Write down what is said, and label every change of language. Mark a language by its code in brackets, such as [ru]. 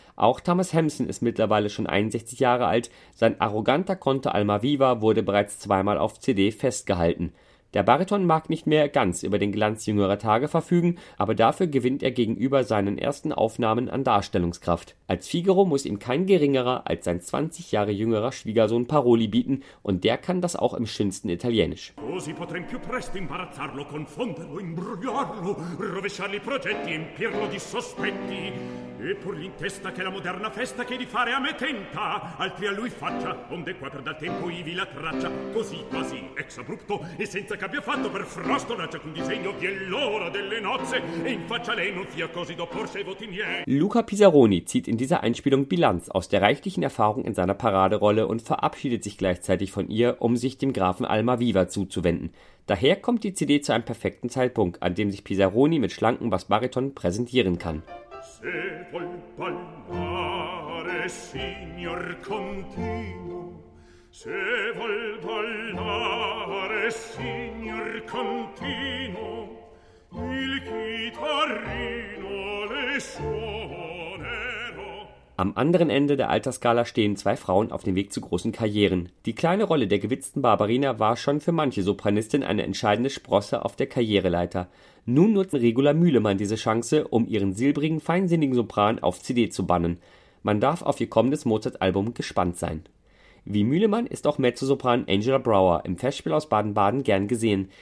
[de] Auch Thomas Hampson ist mittlerweile schon 61 Jahre alt, sein arroganter Conte Alma Viva wurde bereits 2-mal auf CD festgehalten. Der Bariton mag nicht mehr ganz über den Glanz jüngerer Tage verfügen, aber dafür gewinnt er gegenüber seinen ersten Aufnahmen an Darstellungskraft. Als Figaro muss ihm kein geringerer als sein 20 Jahre jüngerer Schwiegersohn Paroli bieten und der kann das auch im schönsten Italienisch. [it] Così potrem più presto imbarazzarlo, confonderlo, imbrogliarlo, rovesciarli i progetti, empirlo di sospetti. E pur in testa che la moderna festa che di fare a me tenta, altri a lui faccia, onde qua per dal tempo ivi la traccia, così quasi ex abrupto, e senza che abbia fatto per frosto la ciacun disegno, vien l'ora delle nozze, e in faccia lei non fia così d'opporse ai voti miei. [de] Luca Pisaroni zieht in dieser Einspielung Bilanz aus der reichlichen Erfahrung in seiner Paraderolle und verabschiedet sich gleichzeitig von ihr, um sich dem Grafen Alma Viva zuzuwenden. Daher kommt die CD zu einem perfekten Zeitpunkt, an dem sich Pisaroni mit schlankem Bassbariton präsentieren kann. [it] Se vuol ballare, signor contino, se vuol ballare, signor contino, il chitarrino le suonerò. [de] Am anderen Ende der Altersskala stehen 2 Frauen auf dem Weg zu großen Karrieren. Die kleine Rolle der gewitzten Barbarina war schon für manche Sopranistin eine entscheidende Sprosse auf der Karriereleiter. Nun nutzt Regula Mühlemann diese Chance, um ihren silbrigen, feinsinnigen Sopran auf CD zu bannen. Man darf auf ihr kommendes Mozart-Album gespannt sein. Wie Mühlemann ist auch Mezzosopran Angela Brower im Festspielhaus Baden-Baden gern gesehen.